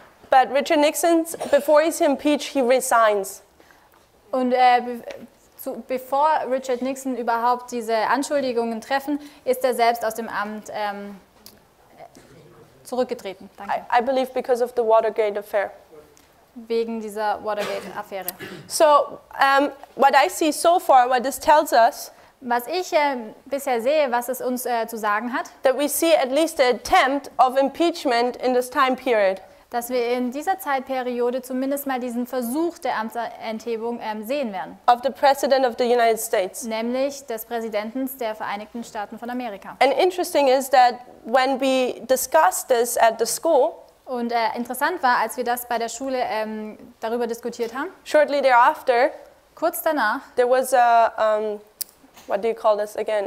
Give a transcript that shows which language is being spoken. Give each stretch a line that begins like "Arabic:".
English: But Richard Nixon, before he's impeached, he resigns.
German: Und bevor Richard Nixon überhaupt diese Anschuldigungen treffen, ist er selbst aus dem Amt zurückgetreten. Danke.
English: I believe because of the Watergate affair.
German: Wegen dieser Watergate-Affäre.
English: So, what I see so far, what this tells us,
German: was ich bisher sehe, was es uns zu sagen hat,
English: that we see at least an attempt of impeachment in this time period.
German: Dass wir in dieser Zeitperiode zumindest mal diesen Versuch der Amtsenthebung sehen werden.
English: Of the President of the United States.
German: Nämlich des Präsidenten der Vereinigten Staaten von Amerika.
English: And interesting is that when we discussed this at the school,
German: und interessant war, als wir das bei der Schule darüber diskutiert haben.
English: Shortly thereafter,
German: kurz danach,
English: there was a what do you call this again?